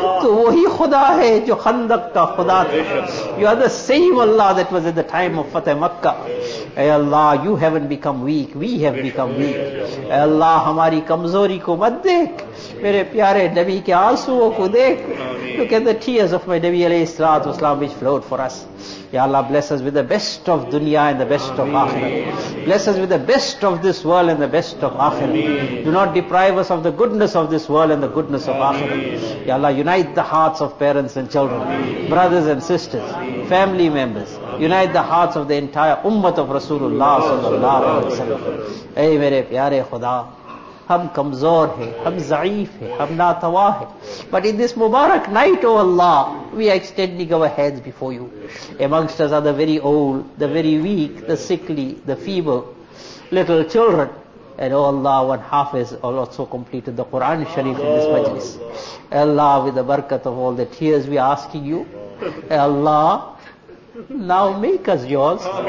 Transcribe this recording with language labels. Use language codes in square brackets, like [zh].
[ur] تو وہی خدا ہے جو خندق کا خدا تھا. [en] You are the same Allah that was at the time of Fatah Makkah. Ay Allah, you haven't become weak, we have become weak. [ur] Ay Allah, ہماری کمزوری کو مت دیکھ, میرے پیارے نبی کے آنسووں کو دیکھ. [en] Look at the tears of my Nabi alayhi salatu wasalam which flowed for us. Ya Allah, bless us with the best of dunya and the best of akhirah. Bless us with the best of this world and the best of akhirah. Do not deprive us of the goodness of this world and the goodness of akhirah. Ya Allah, unite the hearts of parents and children, brothers and sisters, family members. Unite the hearts of the entire ummat of Rasulullah sallallahu alaihi wasallam. [ur] Ey mere pyare khuda, ہم کمزور ہیں, ہم ضعیف ہیں, ہم ناتوا ہیں. [en] But in this Mubarak night, O Allah, we are extending our hands before you. Amongst us are the very old, the very weak, the sickly, the feeble, little children. And O Allah, one half has also completed the Quran Sharif in this majlis. Allah, with the barakat of all the tears, we are asking you, Allah, now make us yours.